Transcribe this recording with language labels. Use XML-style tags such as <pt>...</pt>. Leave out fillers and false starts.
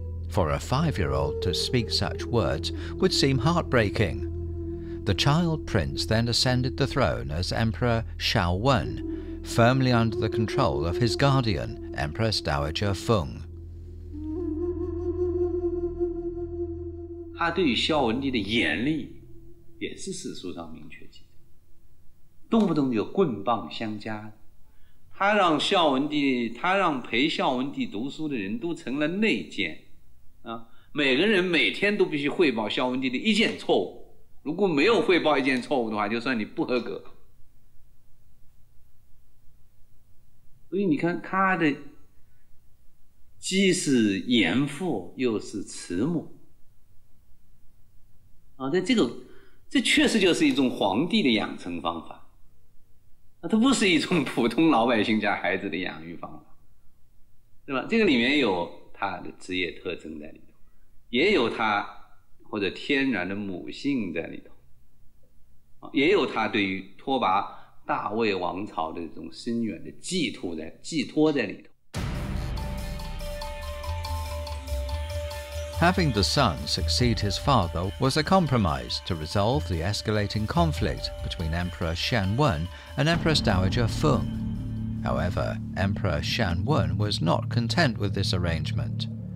<en>For a 5-year-old to speak such words would seem heartbreaking. The child prince then ascended the throne as Emperor Xiao Wen, firmly under the control of his guardian, Empress Dowager Fung.</en> <zh>他对于孝文帝的严厉也是史书上明确记载，动不动就棍棒相加，他让孝文帝，他让陪孝文帝读书的人都成了内奸，啊，每个人每天都必须汇报孝文帝的一件错误，如果没有汇报一件错误的话，就算你不合格。所以你看他的既是严父又是慈母啊，在这个这确实就是一种皇帝的养成方法，它不是一种普通老百姓家孩子的养育方法，是吧？这个里面有他的职业特征在里头，也有他或者天然的母性在里头，也有他对于拓跋大魏王朝的这种深远的寄托在里头。</zh> <en>Having the son succeed his father was a compromise to resolve the escalating conflict between Emperor Shan Wen and Empress Dowager Feng. However, Emperor Shan Wen was not content with this arrangement.</en>